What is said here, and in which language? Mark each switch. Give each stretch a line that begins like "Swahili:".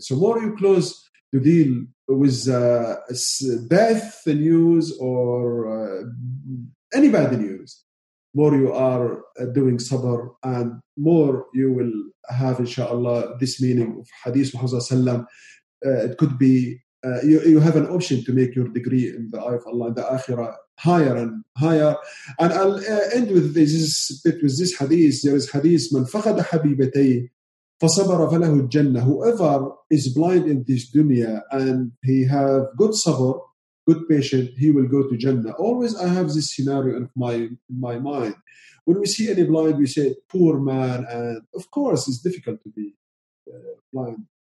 English: So more you close to deal with death news or any bad news, more you are doing sabr and more you will have, inshallah, this meaning of hadith Muhammad sallam. It could be you have an option to make your degree in the eye of Allah in the akhirah higher and higher. And I'll end with this bit with this hadith. There is hadith,
Arabic: من فقد حبيبتي فصبر فله الجنة.
English: Whoever is blind in this dunya and he have good sabr, good patience, he will go to Jannah. Always I have this scenario in my mind. When we see any blind, we say, poor man. And of course, it's difficult to be blind.